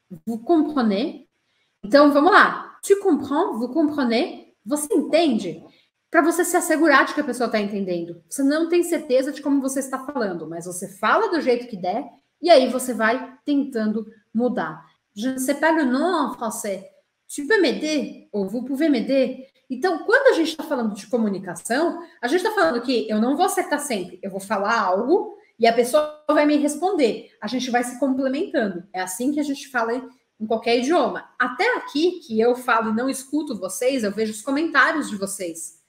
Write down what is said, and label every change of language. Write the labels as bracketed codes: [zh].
[fr] Vous comprenez? [pt] Então, vamos lá. [fr] Tu comprends? Vous comprenez? [pt] Você entende? Para você se assegurar de que a pessoa está entendendo. Você não tem certeza de como você está falando, mas você fala do jeito que der e aí você vai tentando mudar. [fr] Je ne sais pas le nom en français. Tu peux m'aider? Ou vous pouvez m'aider? [pt] Então, quando a gente está falando de comunicação, a gente está falando que eu não vou acertar sempre. Eu vou falar algo e a pessoa vai me responder. A gente vai se complementando. É assim que a gente fala em qualquer idioma. Até aqui, que eu falo e não escuto vocês, eu vejo os comentários de vocês.